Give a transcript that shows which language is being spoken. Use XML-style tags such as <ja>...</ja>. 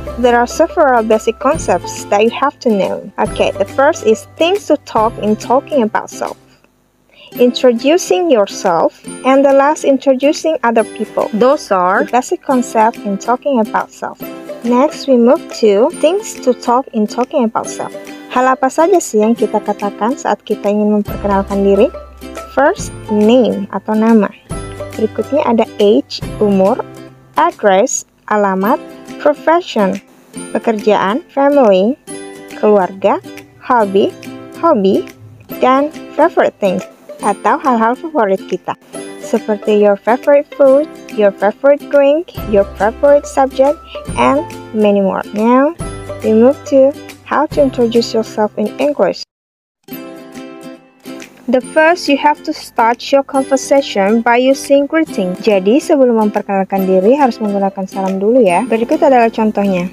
<en>There are several basic concepts that you have to know. Okay, the first is things to talk in talking about self. Introducing yourself, and the last, introducing other people. Those are the basic concepts in talking about self. Next, we move to things to talk in talking about self.</en> <id>Hal apa saja sih yang kita katakan saat kita ingin memperkenalkan diri? First, name atau nama. Berikutnya ada age, umur, address, alamat, profession, pekerjaan, family, keluarga, hobi, dan favorite things atau hal-hal favorit kita. Seperti</id> <en>your favorite food, your favorite drink, your favorite subject, and many more. Now, we move to how to introduce yourself in English. The first, you have to start your conversation by using greeting.</en> <id>Jadi, sebelum memperkenalkan diri, harus menggunakan salam dulu ya. Berikut adalah contohnya.</id>